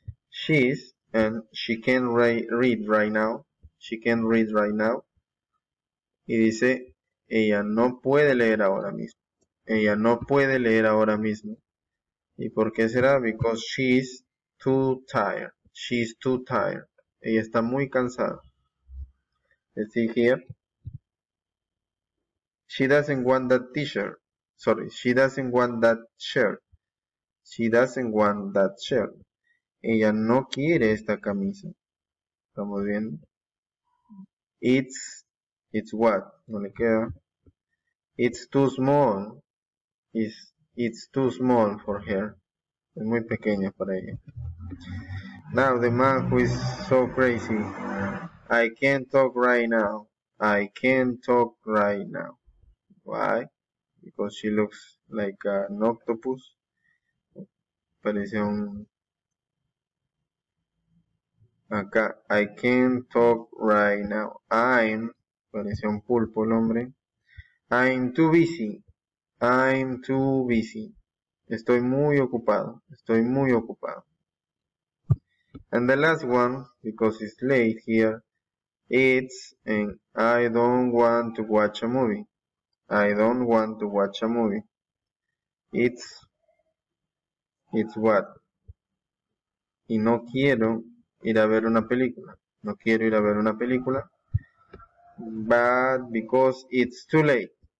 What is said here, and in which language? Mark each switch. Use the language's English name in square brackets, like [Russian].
[English] She's and she can't read right now. She can't read right now. [Spanish] Y dice, ella no puede leer ahora mismo. Ella no puede leer ahora mismo. ¿Y por qué será? [English] Because she's too tired. She's too tired. [Spanish] Ella está muy cansada. [English] Let's see here. She doesn't want that t-shirt. Sorry, she doesn't want that shirt. She doesn't want that shirt. [Spanish] Ella no quiere esta camisa. ¿Estamos viendo? [English] It's what? [Spanish] No le queda. [English] It's too small. It's too small for her. [Spanish] Es muy pequeña para ella. [English] Now the man who is so crazy. I can't talk right now. I can't talk right now. Why? Because she looks like an octopus. [Spanish] Parece un. [English] Acá, I can't talk right now. [Spanish] Parece un pulpo el hombre. [English] I'm too busy. I'm too busy. [Spanish] Estoy muy ocupado. Estoy muy ocupado. [English] And the last one, because it's late here, it's and I don't want to watch a movie. I don't want to watch a movie. It's what. [Spanish] Y no quiero ir a ver una película. No quiero ir a ver una película. [English] But because it's too late.